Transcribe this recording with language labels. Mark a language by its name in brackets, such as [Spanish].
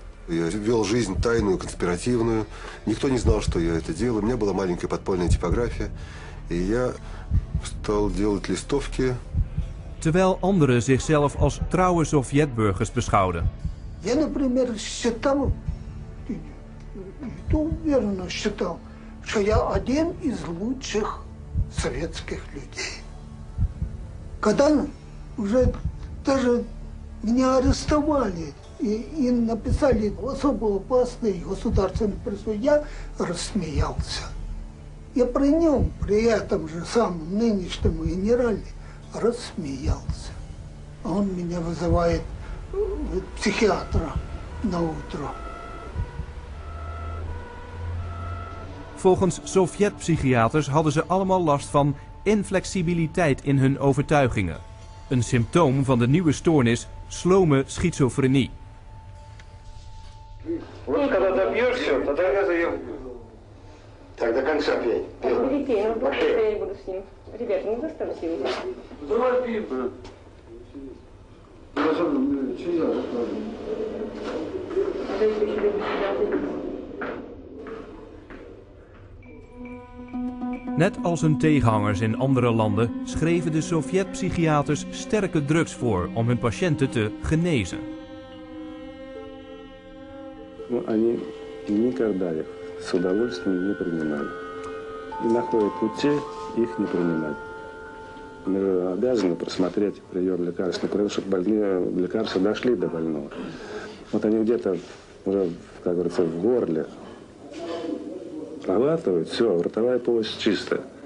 [Russian] Я вел жизнь тайную, конспиративную. Никто не знал, что я это делаю. У меня была маленькая подпольная типография. И я стал делать листовки. [Dutch] Terwijl anderen zichzelf als trouwe Sovjetburgers beschouwden. [Russian] Я, например, считал, уверенно считал, что я один из лучших советских людей. Когда уже даже меня арестовали, и написали особо опасный государственный присутствие, я рассмеялся. Я при нем, при этом же самом нынешнем генерале, рассмеялся. Он меня вызывает психиатра на утро. [Dutch] Volgens Sovjet-psychiaters hadden ze allemaal last van inflexibiliteit in hun overtuigingen. Een symptoom van de nieuwe stoornis, slome schizofrenie. [Russian] Когда добьешься, тогда я заем. Так, до конца пей. Пей. Так, берите, я буду с ним. Ребята, не заставьте его. Давай пей. [Dutch] Net als hun tegenhangers in andere landen schreven de Sovjet-psychiaters sterke drugs voor om hun patiënten te genezen. [Russian] Но они никогда их с удовольствием не принимали. И находят пути их не принимать. Мы обязаны просмотреть прием лекарственных приемов, чтобы больные лекарства дошли до больного. Вот они где-то уже, как говорится, в горле проглатывают, все, ротовая полость чистая.